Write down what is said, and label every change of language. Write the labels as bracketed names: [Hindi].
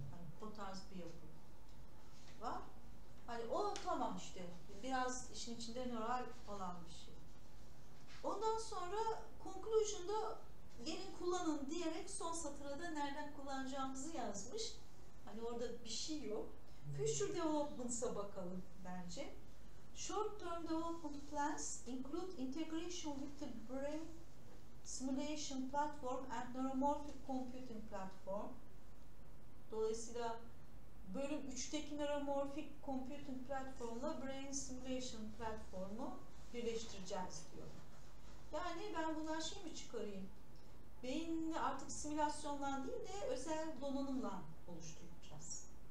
[Turkish] Hani o tarz bir yapı var. Hani o tamam işte. Biraz işin içinde nöral falan bir şey. Ondan sonra conclusion'da gelin kullanın diyerek son satıra da nereden kullanacağımızı yazmış. Hani orada bir şey yok. Future development'a bakalım bence. [English] Short term development plans include integration with the brain simulation platform and neuromorphic computing platform. [Turkish] Dolayısıyla bölüm 3'teki neuromorphic computing platformla brain simulation platformu birleştireceğiz diyor. Yani ben bundan şey mi çıkarayım? Beyni artık simülasyonla değil de özel donanımla oluşturacağız.